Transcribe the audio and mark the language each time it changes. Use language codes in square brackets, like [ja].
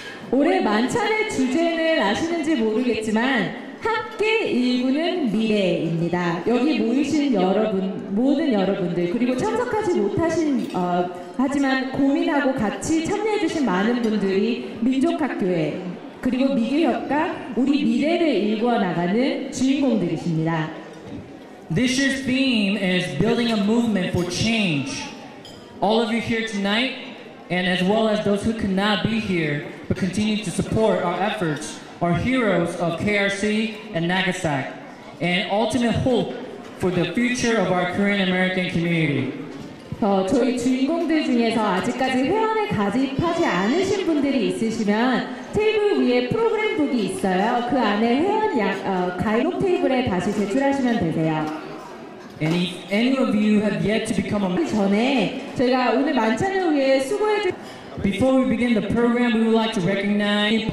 [ko] 올해 만찬의 주제는 아시는지 모르겠지만 함께 이루는 미래입니다. 여기 모이신 여러분, 모든 여러분들 그리고 참석하지 못하신 하지만 고민하고 같이 참여해주신 많은 분들이 민족학교에 그리고 미교협과 우리 미래를 일궈 나가는 주인공들이십니다. [en] This year's theme is building a movement for change. All of you here tonight, and as well as those who cannot be here but continue to support our efforts, are heroes of KRC and NACASAC, and ultimate hope for the future of our Korean American community. [ko] 저희 주인공들 중에서 아직까지 회원에 가입하지 않으신 분들이 있으시면 테이블 위에 프로그램 북이 있어요. 그 안에 회원 가입록 테이블에 다시 제출하시면 되세요. [en] And if any of you have yet to become a [ko] 전에 제가 오늘 만찬을 위해 수고해주 [en] Before we begin the program, we would like to recognize.